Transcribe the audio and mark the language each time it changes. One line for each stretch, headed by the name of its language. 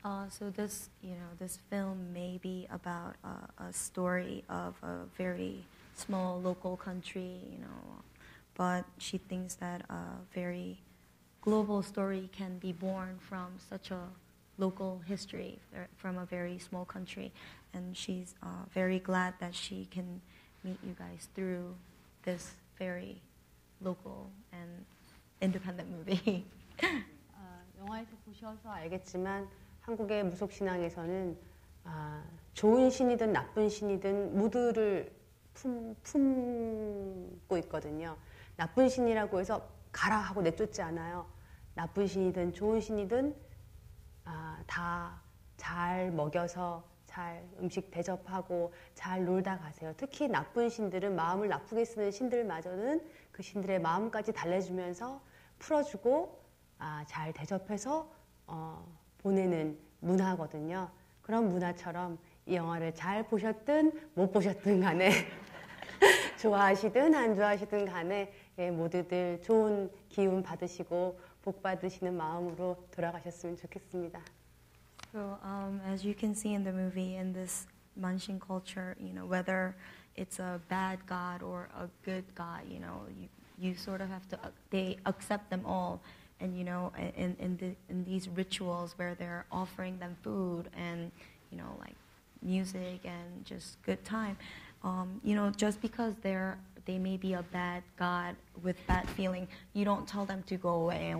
English: So this, you know, this film may be about a story of a very small local country, you know, but she thinks that a very global story can be born from such a local history, from a very small country, and she's very glad that she can meet you guys through this very local and independent movie.
Korean: 영화에서 보셔서 알겠지만. 한국의 무속 신앙에서는 좋은 신이든 나쁜 신이든 모두를 품고 있거든요. 나쁜 신이라고 해서 가라 하고 내쫓지 않아요. 나쁜 신이든 좋은 신이든 다 잘 먹여서 잘 음식 대접하고 잘 놀다 가세요. 특히 나쁜 신들은 마음을 나쁘게 쓰는 신들마저는 그 신들의 마음까지 달래주면서 풀어주고 잘 대접해서 보내는 문화거든요. 그런 문화처럼 이 영화를 잘 보셨든 못 보셨든 간에 좋아하시든 안 좋아하시든 간에 예, 모두들 좋은 기운 받으시고 복 받으시는 마음으로 돌아가셨으면 좋겠습니다.
English: So as you can see in the movie, in this Manshin culture, you know, whether it's a bad god or a good god, you know, you sort of have to they accept them all. And you know, in these rituals where they're offering them food and, you know, like music and just good time, you know, just because they may be a bad god with bad feeling, you don't tell them to go away.